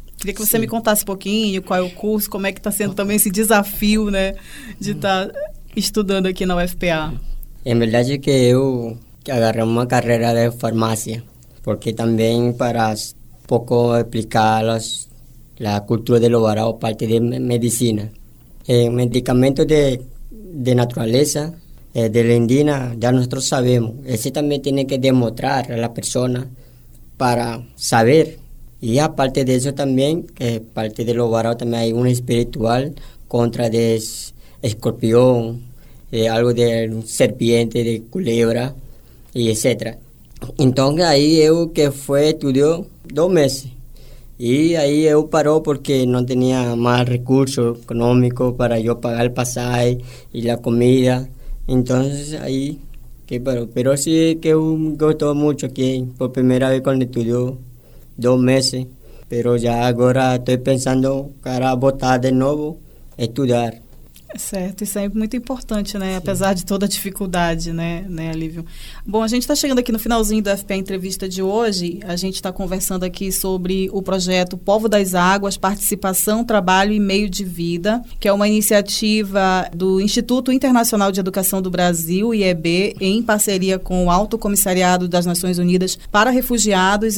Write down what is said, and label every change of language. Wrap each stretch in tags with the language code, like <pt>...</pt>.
<pt>Queria que você me contasse um pouquinho qual é o curso, como é que está sendo também esse desafio, né, de estar estudando aqui na UFPA. É verdade que eu agarrei uma carreira de farmácia, porque também para</pt> <es>poco explicar la cultura de los Warau, parte de medicina. Medicamentos de naturaleza, de la indígena, ya nosotros sabemos. Ese también tiene que demostrar a la persona para saber. Y aparte de eso también, que parte de los Warau también hay un espiritual contra de escorpión, algo de serpiente, de culebra, y etc. Entonces ahí yo que fue estudió 2 meses. Y ahí yo paró porque no tenía más recursos económicos para yo pagar el pasaje y la comida. Entonces ahí que paró. Pero sí que me gustó mucho aquí. Por primera vez cuando estudió 2 meses. Pero ya ahora estoy pensando para voltar de nuevo a estudiar.</es> <pt>Certo, isso é muito importante, né? Sim. Apesar de toda a dificuldade, né, Alívio? Bom, a gente está chegando aqui no finalzinho do FPA Entrevista de hoje. A gente está conversando aqui sobre o projeto Povo das Águas, Participação, Trabalho e Meio de Vida, que é uma iniciativa do Instituto Internacional de Educação do Brasil, IEB, em parceria com o Alto Comissariado das Nações Unidas para Refugiados.</pt>